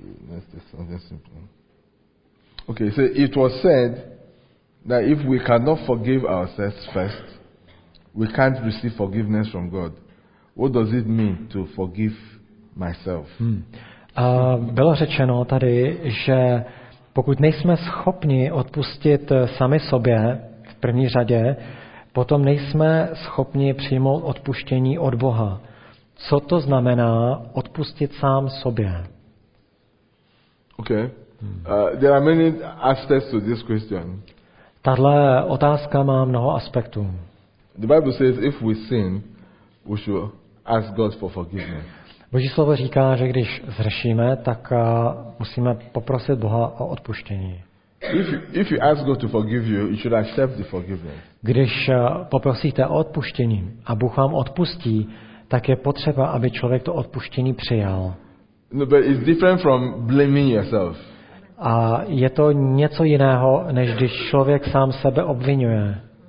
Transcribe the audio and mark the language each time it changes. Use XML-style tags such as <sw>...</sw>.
<en>Let's do something simple. Okay, so it was said that if we cannot forgive ourselves first, we can't receive forgiveness from God. What does it mean to forgive myself?</en> <cs>Bylo řečeno tady, že pokud nejsme schopni odpustit sami sobě v první řadě, potom nejsme schopni přijmout odpuštění od Boha. Co to znamená odpustit sám sobě?</cs> <en>Okay. There are many aspects to this question.</en> <cs>Tahle otázka má mnoho aspektů.</cs> <en>The Bible says if we sin, we should ask God for forgiveness.</en> <cs>Boží slovo říká, že když zhřešíme, tak musíme poprosit Boha o odpuštění.</cs> <en>If you ask God to forgive you, you should accept the forgiveness.</en> <cs>Když poprosíte o odpuštění a Bůh vám odpustí, tak je potřeba, aby člověk to odpuštění přijal.</cs> <en>No, but it's different from blaming yourself.</en> <cs>A je to něco jiného, než když člověk sám sebe obvinuje.</cs>